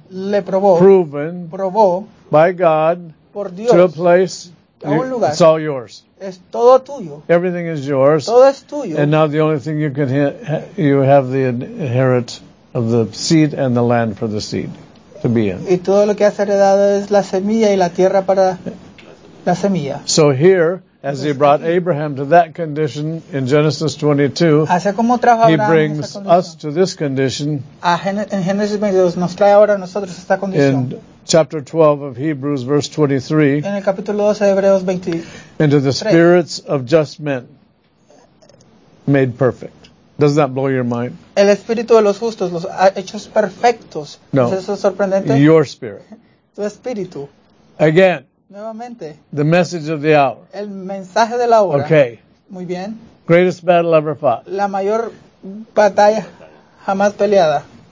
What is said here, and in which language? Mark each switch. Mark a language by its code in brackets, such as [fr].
[es] le probó, [en] proven, [es] probó, [en] by God, [es] por Dios, [en] to a place, [es] a un lugar. [en] It's all yours. [es] Es todo tuyo. [en] Everything is yours. [es] Todo es tuyo. [en] And now the only thing you can you have the inherit of the seed and the land for the seed to be in. [es] Y todo lo que has heredado es la semilla y la tierra para la semilla. [en] So here, as he brought Abraham to that condition in Genesis 22, he brings us to this condition [es] in Genesis 22, nos trae ahora a nosotros esta condición. [en] In chapter 12 of Hebrews, verse 23, [es] en el capítulo 12 de Hebreos 23, [en] into the spirits of just men made perfect. Does that blow your mind? [es] El espíritu de los justos, los hechos perfectos. No. ¿Es eso sorprendente? [en] Your spirit. [es] Tu espíritu. [en] Again. [es] Nuevamente. [en] The message of the hour. [es] El mensaje de la hora. [en] Okay. [es] Muy bien. [en] Greatest battle ever fought. [es] La mayor batalla jamás peleada.